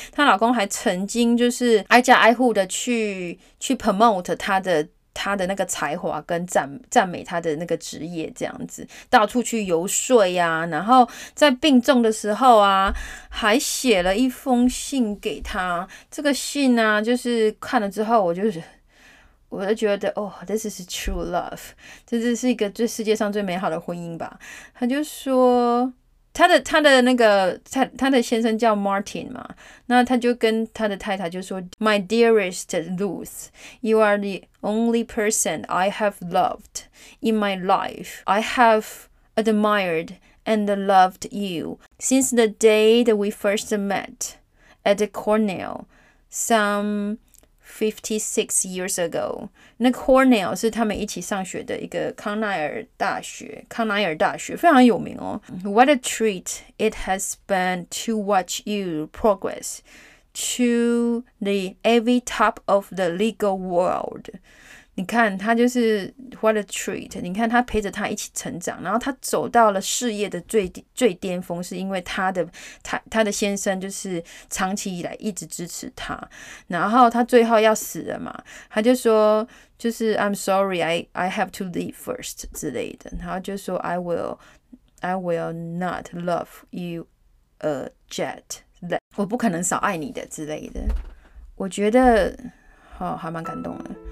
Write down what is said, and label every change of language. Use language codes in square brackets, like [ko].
[zh] 他老公还曾经就是挨家挨户的去 promote 他的那个才华，跟赞美他的那个职业这样子，到处去游说呀、啊、然后在病重的时候啊，还写了一封信给他。这个信呢、啊、就是看了之后我就觉得哦、 [en] oh, This is true love， [zh] 这是一个最世界上最美好的婚姻吧。他就说他的先生叫 Martin 嘛，那他就跟他的太太就说 [en] My dearest Ruth， You are the only person I have loved in my life. I have admired and loved you since the day that we first met at Cornell some 56 years ago， [zh] 那 Cornell 是他们一起上学的一个康奈尔大学，康奈尔大学非常有名哦。 [en] What a treat it has been to watch you progress to the every top of the legal world。 [zh] 你看他就是 [en] what a treat， [zh] 你看他陪着他一起成长，然后他走到了事业的最巅峰，是因为他的先生就是长期以来一直支持他，然后他最后要死了嘛，他就说就是 [en] I'm sorry I have to leave first [zh] 之类的，然后就说 [en] I will not love you a jet， [zh] 我不可能少爱你的之类的，我觉得好、哦、还蛮感动的。